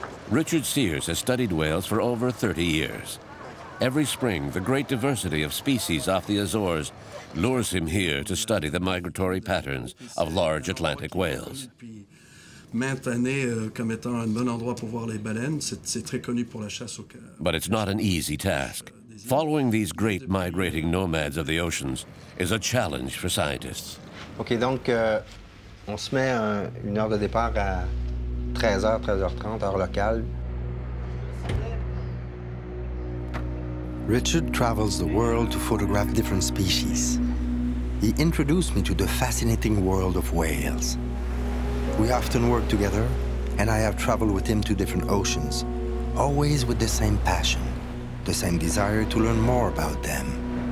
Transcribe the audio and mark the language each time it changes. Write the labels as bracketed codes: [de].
[en] Richard Sears has studied whales for over 30 years. Every spring, the great diversity of species off the Azores lures him here to study the migratory patterns of large Atlantic whales. But it's not an easy task. Following these great migrating nomads of the oceans is a challenge for scientists. [fr] Okay, donc on se met une heure de départ à 13h, 13h30, heure locale. [en] Richard travels the world to photograph different species. He introduced me to the fascinating world of whales. We often work together, and I have traveled with him to different oceans, always with the same passion, the same desire to learn more about them.